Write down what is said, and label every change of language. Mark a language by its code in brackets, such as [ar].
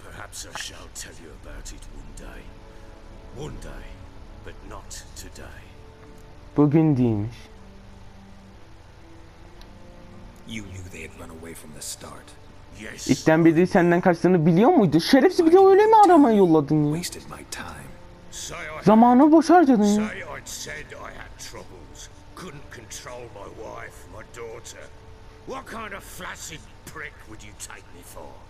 [en] Perhaps I shall tell you about it one day, but not today. [tr] Bugün değilmiş. [en] You knew they had run away from the start. Yes. [tr] İlkten beri senden kaçtığını biliyor muydu? Şerefsiz, bir de öyle mi aramaya yolladın ya? [en] Wasted my time. [tr] Zamanı boş harcadın ya. [en] I said I had troubles, couldn't control my wife, my daughter. What kind of flaccid prick would you take me for?